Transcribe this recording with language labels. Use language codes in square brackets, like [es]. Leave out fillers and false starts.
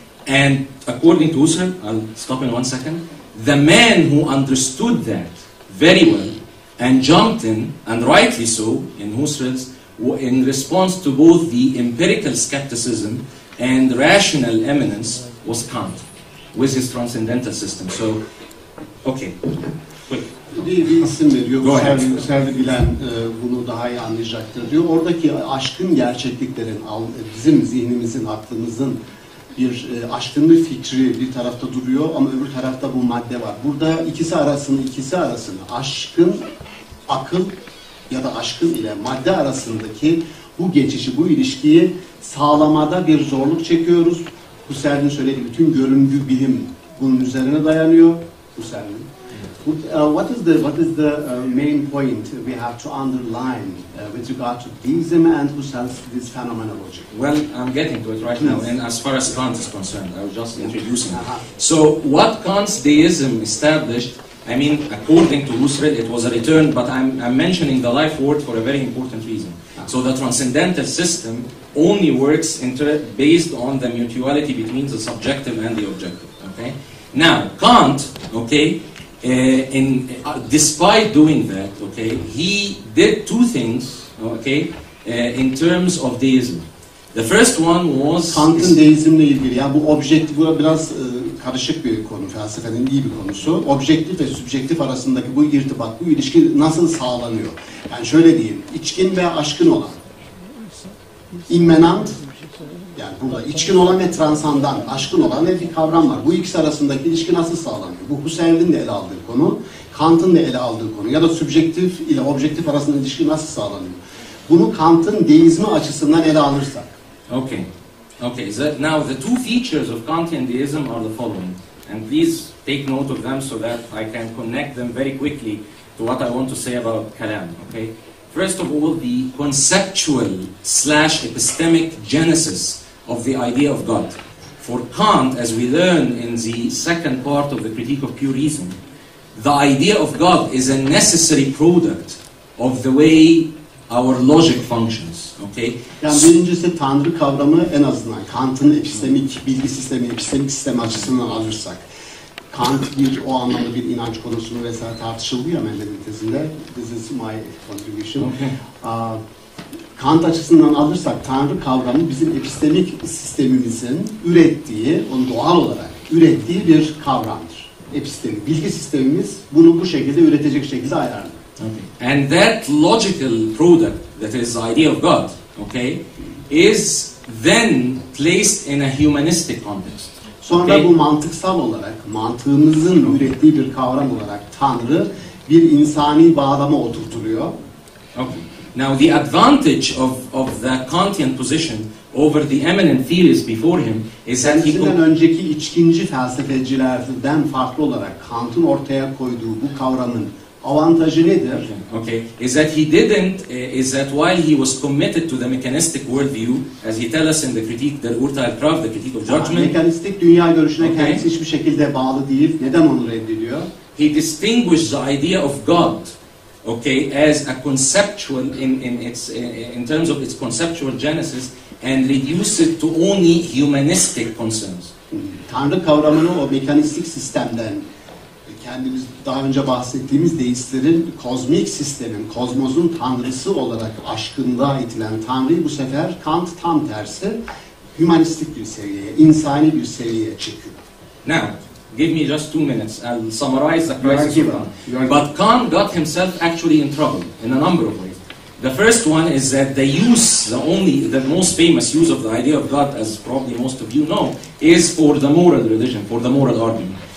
[en] And according to Husserl, I'll stop in one second, the man who understood that very well and jumped in, and rightly so, in Husserl's, in response to both the empirical skepticism and rational eminence, was Kant, with his transcendental system. So, okay. [tr] Bir isim veriyor, Husserl'i bilen bunu daha iyi anlayacaktır diyor. Oradaki aşkın gerçekliklerin, bizim zihnimizin, aklımızın bir aşkın bir fikri bir tarafta duruyor ama öbür tarafta bu madde var. Burada ikisi arasında aşkın akıl ya da aşkın ile madde arasındaki bu geçişi, bu ilişkiyi sağlamada bir zorluk çekiyoruz. Husserl'in söylediği bütün görüngü bilim bunun üzerine dayanıyor. Husserl'in. [en] What is the main point we have to underline with regard to deism and Husserl's this phenomenology? Well, I'm getting to it right now. And as far as Kant is concerned, I was just introducing it. So what Kant's deism established, I mean, according to Husserl, it was a return, but I'm mentioning the life word for a very important reason. So the transcendental system only works based on the mutuality between the subjective and the objective. Okay. Now, Kant, okay, despite doing that, okay, he did two things, okay, in terms of deism. The first one was [tr] Kant'ın deizmle ilgili. Yani bu objektif biraz karışık bir konu, felsefenin iyi bir konusu. Objektif ve subjektif arasındaki bu irtibat, bu ilişki nasıl sağlanıyor? Yani şöyle diyeyim, içkin ve aşkın olan, immanent, yani burada içkin olan ve transandan, aşkın olan ne bir kavram var. Bu ikisi arasındaki ilişki nasıl sağlanıyor? Bu Husserl'in de ele aldığı konu, Kant'ın da ele aldığı konu. Ya da subjektif ile objektif arasında ilişki nasıl sağlanıyor? Bunu Kant'ın deizmi açısından ele alırsak. [en] Okay. Okay. Now the two features of Kantian deism are the following. And please take note of them so that I can connect them very quickly to what I want to say about Kalam. Okay. First of all, the conceptual slash epistemic genesis of the idea of God. For Kant, as we learn in the second part of the Critique of Pure Reason, the idea of God is a necessary product of the way our logic functions. Okay. [tr] Yani birincisi Tanrı kavramı en azından Kant'ın epistemik bilgi sistemi, epistemik sistemi açısından alırsak. Kant bir o anlamda bir inanç konusunu vesaire tartışılıyor Mendel'in tezinde. [en] This is my contribution. [tr] Kant açısından alırsak Tanrı kavramı bizim epistemik sistemimizin ürettiği, onu doğal olarak ürettiği bir kavramdır. Epistemik bilgi sistemimiz bunu bu şekilde üretecek şekilde ayarlı. [en] Okay. And that logical product, that is the idea of God, okay, is then placed in a humanistic context. [tr] Sonra okay. Bu mantıksal olarak, mantığımızın ürettiği bir kavram olarak Tanrı bir insani bağlama oturtuluyor. [en] Okay. Now the advantage of the Kantian position over the eminent theorists before him is that he... [tr] Kendisinden önceki içkinci felsefecilerden farklı olarak Kant'ın ortaya koyduğu bu kavramın Avantajı nedir? [en] Okay, is that he didn't, is that while he was committed to the mechanistic worldview, as he tells us in the critique, der Urteil Prof, the critique of judgment. [tr] Mekanistik dünya görüşüne kendisi hiçbir şekilde bağlı değil. Neden onu reddediyor? [en] He distinguished the idea of God, okay, as a conceptual in its in terms of its conceptual genesis, and reduced it to only humanistic concerns. [tr] Tanrı kavramını o mekanistik sistemden, kendimiz daha önce bahsettiğimiz deistlerin kozmik sistemin, kozmosun tanrısı olarak aşkında itilen tanrıyı bu sefer Kant tam tersi hümanistik bir seviyeye, insani bir seviyeye çekiyor. [en] Now, give me just 2 minutes, I'll summarize the crisis of Kant. But Kant got himself actually in trouble in a number of ways. The first one is that the use, the only, the most famous use of the idea of God, as probably most of you know, is for the moral religion, for the moral argument.